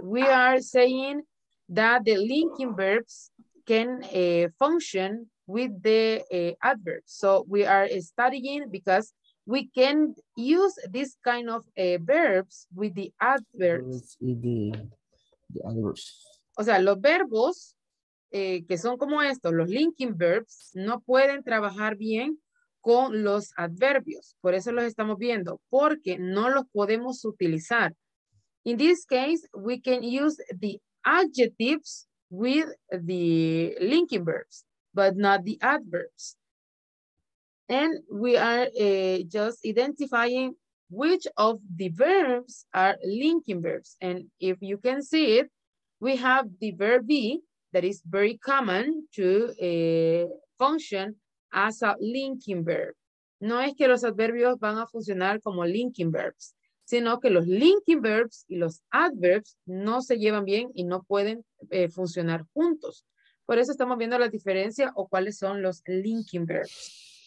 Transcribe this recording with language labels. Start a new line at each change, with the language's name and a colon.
English: We are saying that the linking verbs can function with the adverbs. So we are studying because we can use this kind of verbs with the adverbs. The adverbs.
Spanish: O sea, los verbos que son como estos, los linking verbs, no pueden trabajar bien con los adverbios. Por eso los estamos viendo, porque no los podemos utilizar.
English: In this case, we can use the adjectives with the linking verbs, but not the adverbs. And we are just identifying which of the verbs are linking verbs? And if you can see it, we have the verb be that is very common to function as a linking verb.
Spanish: No es que los adverbios van a funcionar como linking verbs, sino que los linking verbs y los adverbs no se llevan bien y no pueden funcionar juntos. Por eso estamos viendo la diferencia o cuáles son los linking verbs.